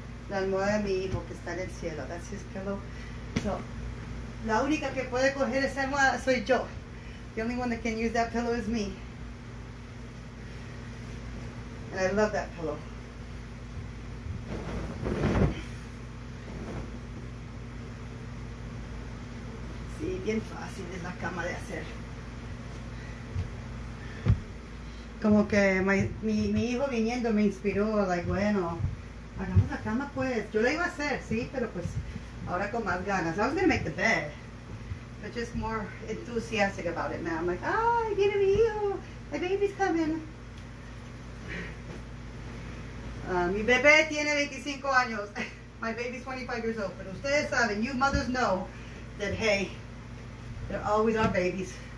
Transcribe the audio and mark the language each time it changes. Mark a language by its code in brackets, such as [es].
[es] La almohada de mi hijo que está en el cielo. [en] That's his pillow. [es] So, la única que puede coger esa almohada soy yo. [en] The only one that can use that pillow is me. And I love that pillow. [es] Sí, bien fácil es la cama de hacer. Como que mi hijo viniendo me inspiró, like, bueno, hagamos la cama pues. Yo la iba a hacer, sí, pero pues ahora con más ganas. [en] I was gonna make the bed, but just more enthusiastic about it now. I'm like, [es] ay, viene mi hijo, [en] my baby's coming. [es] Mi bebé tiene 25 años. [en] My baby's 25 years old. [es] Pero ustedes saben, [en] you mothers know that, hey, they're always our babies.